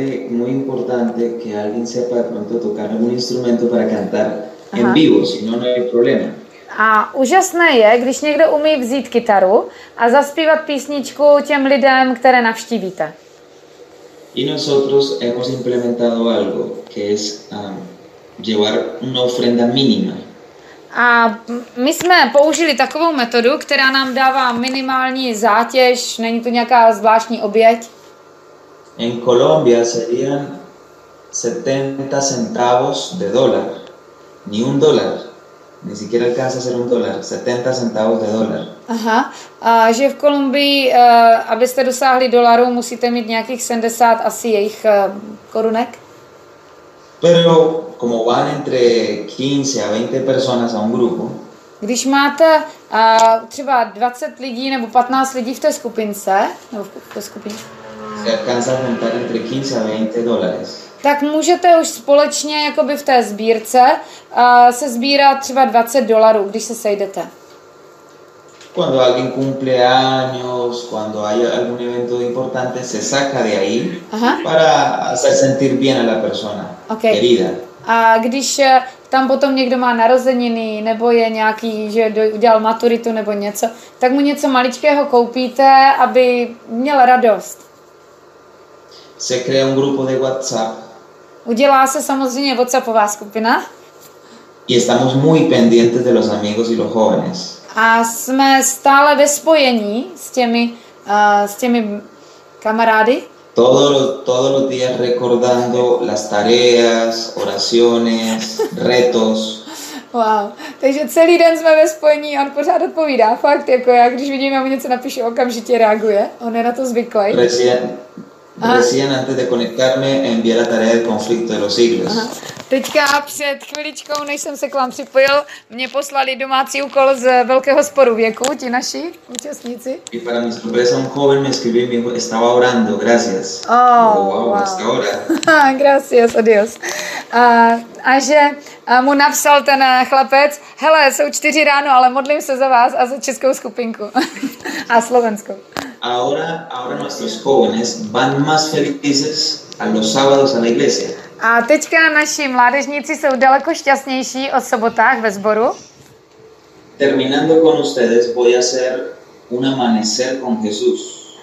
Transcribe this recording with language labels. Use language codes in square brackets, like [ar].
[es] Muy importante que alguien sepa de pronto tocar algún instrumento para cantar en vivo, si no, no hay problema. [cs] A úžasné je, když někdo umí vzít kytaru a zaspívat písničku těm lidem, které navštívíte. [es] Y nosotros hemos implementado algo, que es llevar una ofrenda mínima. [cs] A my jsme použili takovou metodu, která nám dává minimální zátěž, není to nějaká zvláštní oběť. [es] En Colombia serían 70 centavos de dólar, ni un dólar, ni siquiera alcanza a ser un dólar, 70 centavos de dólar. [cs] Aha, a že v Kolumbii, abyste dosáhli dolarů, musíte mít nějakých 70 asi jejich korunek? [es] Pero como van entre 15 a 20 personas a un grupo. [cs] Když máte třeba 20 lidí nebo 15 lidí v té skupince, nebo v té skupině. [es] Se alcanza a juntar entre 15 a 20 dólares. [cs] Tak můžete už společně jakoby v té sbírce se sbírat třeba 20 dolarů, když se sejdete. [es] Cuando alguien cumple años, cuando hay algún evento importante, se saca de ahí para hacer sentir bien a la persona querida. [cs] A když tam potom někdo má narozeniny, nebo je nějaký, že udělal maturitu nebo něco, tak mu něco maličkého koupíte, aby měl radost. [es] Se crea un grupo de WhatsApp. [cs] Udělá se samozřejmě WhatsAppová skupina. [es] Y estamos muy pendientes de los amigos y los jóvenes. [cs] A jsme stále ve spojení s těmi kamarády. [es] Todos los días recordando las tareas, oraciones, retos. Wow. [cs] Takže celý den jsme ve spojení a on pořád odpovídá. Fakt, jako já, když vidím, já mu něco napíšu, okamžitě reaguje. On je na to zvyklý. [es] Recién antes de conectarme envié la tarea del conflicto de los siglos. [cs] Teďka před chviličkou, než jsem se k vám připojil, mě poslali domácí úkol z velkého sporu věku, ti naši účastníci. [es] Y para mi sorpresa un joven me escribió y me dijo, estaba orando, gracias. Oh, oh, wow, wow, hasta ahora. Gracias, adiós. [cs] A že mu napsal ten chlapec, hele, jsou 4 ráno, ale modlím se za vás a za českou skupinku a slovenskou. [es] Ahora nuestros jóvenes van más felices a los sábados a la iglesia. [cs] A teďka naši mládežníci jsou daleko šťastnější o sobotách ve sboru. [es] Terminando con ustedes voy a hacer un amanecer con Jesús.